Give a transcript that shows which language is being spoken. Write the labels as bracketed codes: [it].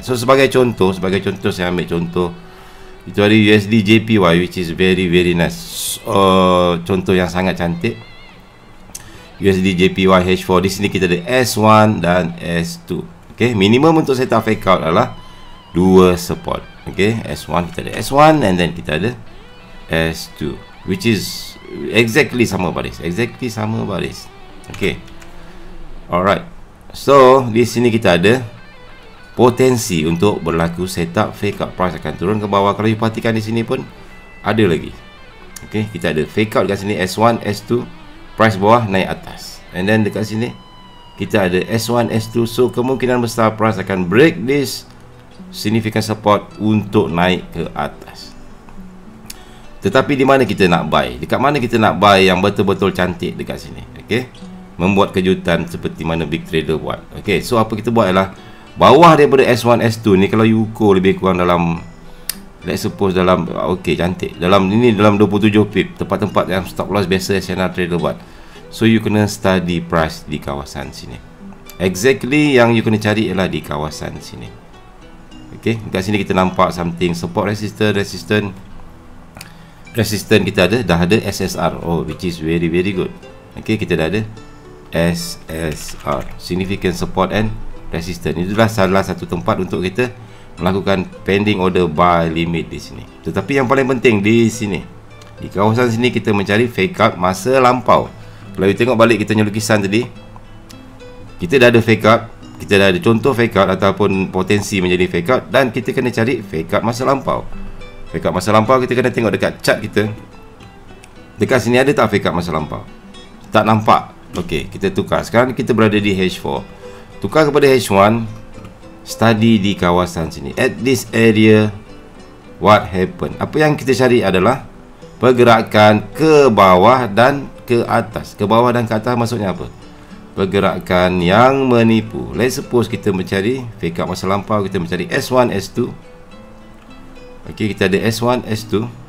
[ms] So sebagai contoh saya ambil contoh itu ada USD JPY, [en] which is very very nice. [ms] Contoh yang sangat cantik USD JPY H4. Di sini kita ada S1 dan S2. Okey, minimum untuk set up fake out adalah 2 support. Okey, S1 kita ada S1 [en] and then [ms] kita ada S2, [en] which is exactly [ms] sama baris. Exactly sama baris. Okay. Alright. So, di sini kita ada potensi untuk berlaku setup fake out. Price akan turun ke bawah. Kalau you perhatikan di sini pun, ada lagi. Okay. Kita ada fake out kat sini. S1, S2. Price bawah naik atas. And then dekat sini, kita ada S1, S2. So, kemungkinan besar price akan [en] break this significant support [ms] untuk naik ke atas. Tetapi di mana kita nak buy? Dekat mana kita nak buy yang betul-betul cantik dekat sini? Okay. Membuat kejutan seperti mana big trader buat. Okay. So, apa kita buat ialah bawah daripada S1, S2 ni kalau you ukur lebih kurang dalam, [en] let's suppose [ms] dalam, okay, cantik. Dalam ini dalam 27 pip. Tempat-tempat yang stop loss biasa SNR trader buat. So, you kena study price di kawasan sini. Exactly yang you kena cari ialah di kawasan sini. Okay. Dekat sini kita nampak something. Support resistance, resistance. Resistance kita ada, dah ada SSR. [en] Oh, which is very very good. [ms] Okay, kita dah ada SSR, significant support and resistance. Itulah salah satu tempat untuk kita melakukan pending order buy limit di sini. Tetapi yang paling penting di sini, di kawasan sini kita mencari fake out masa lampau. Kalau kita tengok balik kita punya lukisan tadi, kita dah ada fake out, kita dah ada contoh fake out ataupun potensi menjadi fake out, dan kita kena cari fake out masa lampau. Fake out masa lampau kita kena tengok dekat chart kita. Dekat sini ada tak fake out masa lampau? Tak nampak. Okey, kita tukar. Sekarang kita berada di H4. Tukar kepada H1. Study di kawasan sini. [en] At this area, what happened? [ms] Apa yang kita cari adalah pergerakan ke bawah dan ke atas. Ke bawah dan ke atas maksudnya apa? Pergerakan yang menipu. [en] Let's suppose [ms] kita mencari fake out masa lampau, kita mencari S1, S2. Okey, kita ada S1, S2.